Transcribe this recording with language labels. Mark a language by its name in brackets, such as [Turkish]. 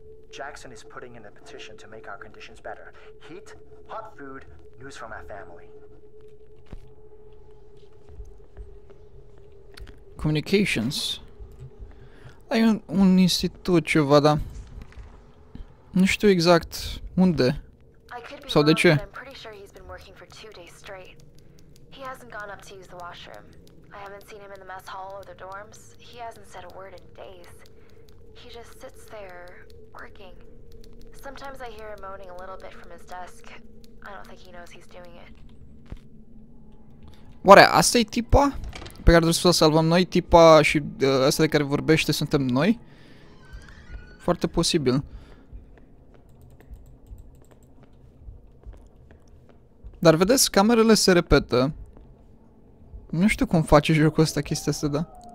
[English] Jackson is putting in a petition to make our conditions better. Heat, hot food, news from our family. Communications. [Romanian] Ai un institut ceva, dar nu știu exact unde. Sau de ce? [English] I'm pretty sure he's been working for 2 days straight. He hasn't gone up to use the washroom. I haven't seen him in the mess hall or the dorms. He hasn't said a word in days. He just sits there working. Sometimes I hear him moaning a little bit from his desk. I don't think he knows he's doing it. [Romanian] Oare, asta e tipa pe care trebuie să o salvăm noi, tipa și asta de care vorbește suntem noi? Foarte posibil. Dar vedeți, camerele se repetă. Nu știu cum face jocul ăsta chestia asta, da.